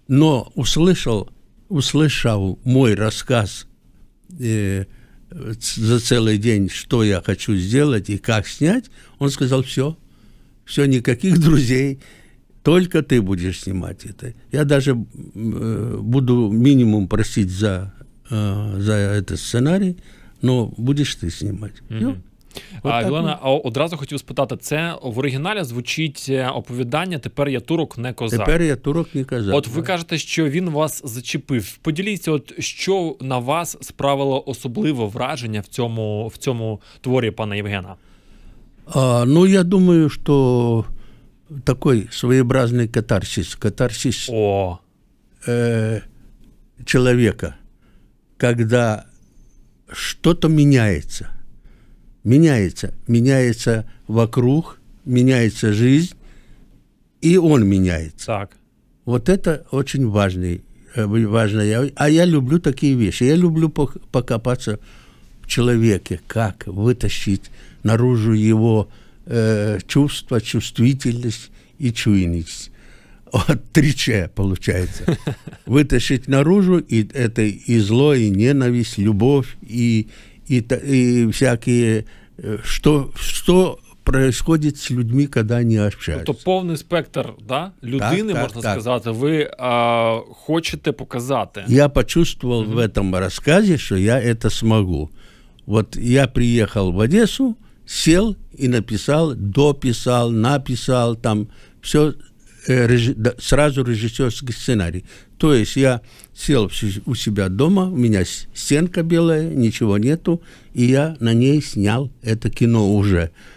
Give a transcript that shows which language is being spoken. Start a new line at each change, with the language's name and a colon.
Russian: Но услышал мой рассказ за целый день, что я хочу сделать и как снять, он сказал, все, никаких друзей. Только ты будешь снимать это. Я даже буду минимум просить за этот сценарий, но будешь ты снимать. Mm-hmm.
Ukrainian: Вот Вілена, а одразу хотів спитати, це в оригіналі звучить оповідання «Тепер я турок, не козак». Тепер я турок, не козак. От ви кажете, що він вас зачепив. Поділіться, от що на вас справило особливе враження в цьому творі пана Євгена? Ну, я думаю, що
Russian: такой своеобразный катарсис. Катарсис человека, когда что-то меняется. Меняется вокруг, меняется жизнь, и он меняется. Так. Вот это очень важное. А я люблю такие вещи. Я люблю покопаться в человеке, как вытащить наружу его чувства, чувствительность. И чуйность. Вот три Ч получается. Вытащить наружу, и это и зло, и ненависть, любовь, и всякие, что происходит с людьми, когда они общаются.
Ukrainian: Тобто повний спектр, да, людини, так, можна так сказати, ви хочете показати.
Russian: Я почувствовал в этом рассказе, что я это смогу. Вот я приехал в Одессу, сел и написал, дописал, написал там, все сразу режиссерский сценарий. То есть я сел у себя дома, у меня стенка белая, ничего нету, и я на ней снял это кино уже.